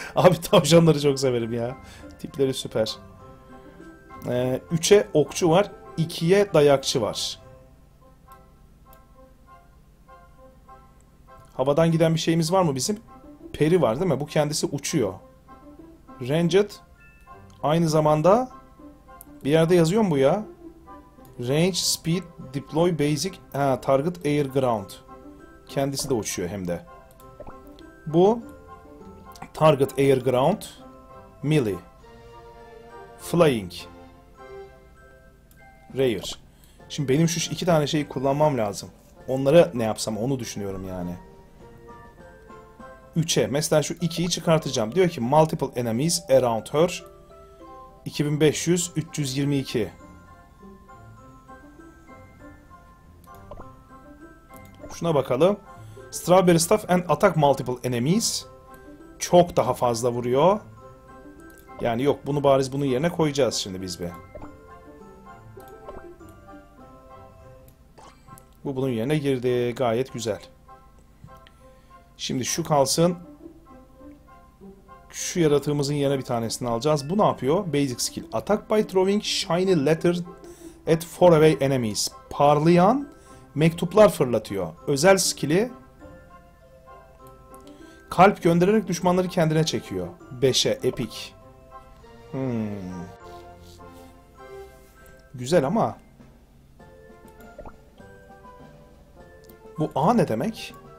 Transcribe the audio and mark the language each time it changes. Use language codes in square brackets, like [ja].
[tr] Abi tavşanları çok severim ya. Tipleri süper. 3'e okçu var, 2'ye dayakçı var. Havadan giden bir şeyimiz var mı bizim? Peri var değil mi? Bu kendisi uçuyor. Ranged. Aynı zamanda bir yerde yazıyor mu bu ya? [en] Range, speed, deploy, basic, ha, target, air, ground. [tr] Kendisi de uçuyor hem de. Bu [en] target, air, ground, melee, flying, rare. [tr] Şimdi benim şu iki tane şeyi kullanmam lazım. Onlara ne yapsam onu düşünüyorum yani. 3'e. Mesela şu 2'yi çıkartacağım. Diyor ki [en] multiple enemies around her. [tr] 2500, 322. Şuna bakalım. [en] Strawberry Staff and attack multiple enemies. [tr] Çok daha fazla vuruyor. Yani yok, bunu bariz bunun yerine koyacağız şimdi biz bir. Bu bunun yerine girdi. Gayet güzel. Şimdi şu kalsın. Şu yaratığımızın yerine bir tanesini alacağız. Bu ne yapıyor? [en] Basic skill. Attack by throwing shiny letter at faraway enemies. [tr] Parlayan mektuplar fırlatıyor. Özel skill'i kalp göndererek düşmanları kendine çekiyor. 5'e epic. Güzel ama bu A ne demek?